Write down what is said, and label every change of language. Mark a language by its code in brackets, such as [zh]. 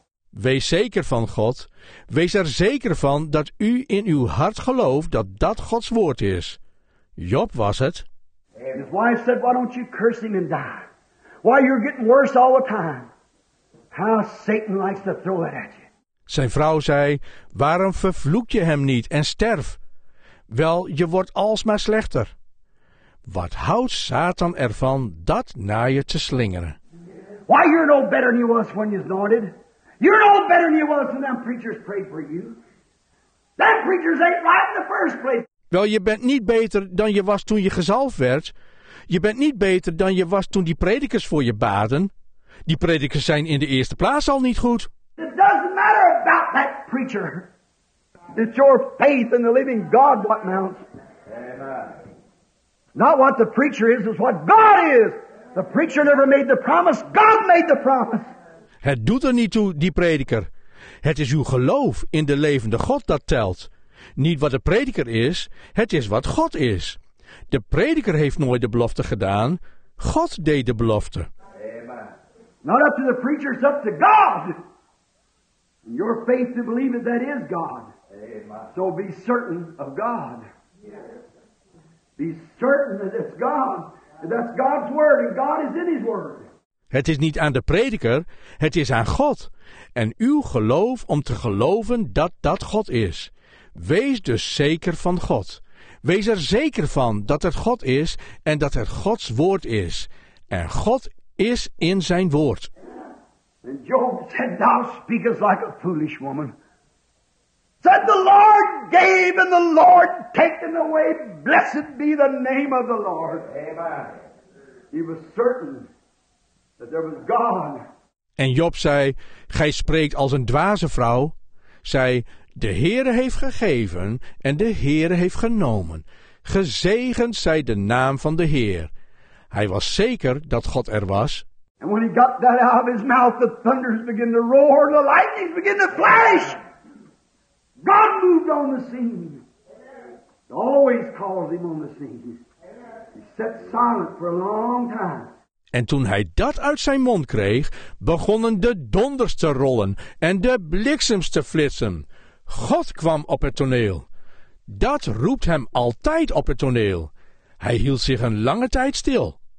[nl] Wees zeker van God. Wees er zeker van dat u in uw hart gelooft dat dat Gods woord is. Job was het. [en] And his wife said, why don't you curse him and die? Why, you're getting worse all the time. How Satan likes to throw it at you. [nl] Zijn vrouw zei, waarom vervloek je hem niet en sterf? Wel, je wordt alsmaar slechter. Wat houdt Satan ervan dat naar je te slingeren? [en] Why, you're no better than you was when you started. You're no better than you was when them preachers prayed for you. Them preachers ain't right in the first place. [nl] Wel, je bent niet beter dan je was toen je gezalfd werd. Je bent niet beter dan je was toen die predikers voor je baden. Die predikers zijn in de eerste plaats al niet goed. [en] It doesn't matter about that preacher. It's your faith in the living God what counts. Amen. Not what the preacher is what God is. The preacher never made the promise. God made the promise. [nl] Het doet er niet toe, die prediker. Het is uw geloof in de levende God dat telt. Niet wat de prediker is, het is wat God is. De prediker heeft nooit de belofte gedaan. God deed de belofte. [en] Amen. Not up to the preacher, it's up to God. And your faith to believe it, that is God. Amen. So be certain of God. Yes. Be certain that it's God. That's God's word and God is in his word. [nl] Het is niet aan de prediker, het is aan God. En uw geloof om te geloven dat dat God is. Wees dus zeker van God. Wees er zeker van dat het God is en dat het Gods woord is. En God is in zijn woord. [en] And Job said, thou speakest like a foolish woman. Said, the Lord gave and the Lord taken away. Blessed be the name of the Lord. Amen. He was certain that there was God. [nl] En Job zei, gij spreekt als een dwaze vrouw. Zij, de Heere heeft gegeven en de Heere heeft genomen. Gezegend zij de naam van de Heer. Hij was zeker dat God er was. [en] And when he got that out of his mouth, the thunders begin to roar, the lightnings begin to flash. God moved on the scene. It always calls him on the scene. He sat silent for a long time. [nl] En toen hij dat uit zijn mond kreeg, begonnen de donders te rollen en de bliksems te flitsen. God kwam op het toneel. Dat roept hem altijd op het toneel. Hij hield zich een lange tijd stil.